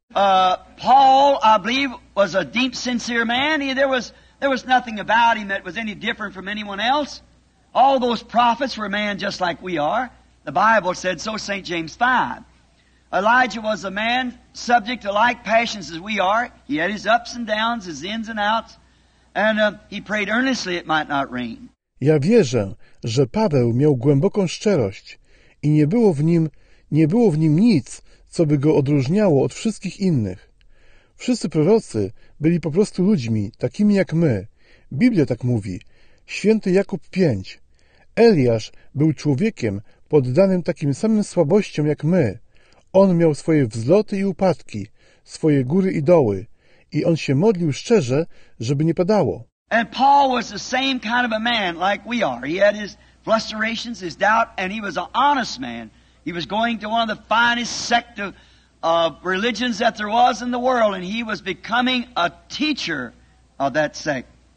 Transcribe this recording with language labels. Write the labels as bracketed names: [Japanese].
[English] Paul, I believe, was a deep, sincere man. There was nothing about him that was any different from anyone else. All those prophets were men just like we are. The Bible said so, St. James 5. Elijah was a man subject to like passions as we are. He had his ups and downs, his ins and outs. And he prayed earnestly it might not rain. [Polish] Ja wierzę, że Paweł miał głęboką szczerość i nie było w nim nic, co by go odróżniało od wszystkich innych. Wszyscy prorocy byli po prostu ludźmi, takimi jak my. Biblia tak mówi, Święty Jakub 5. Eliasz był człowiekiem poddanym takim samym słabościom jak my. On miał swoje wzloty i upadki, swoje góry i doły. I on się modlił szczerze, żeby nie padało. [English] And Paul was the same kind of a man like we are. He had his frustrations, his doubt, and he was an honest man. He was going to one of the finest sect of religions that there was in the world, and he was becoming a teacher of that sect.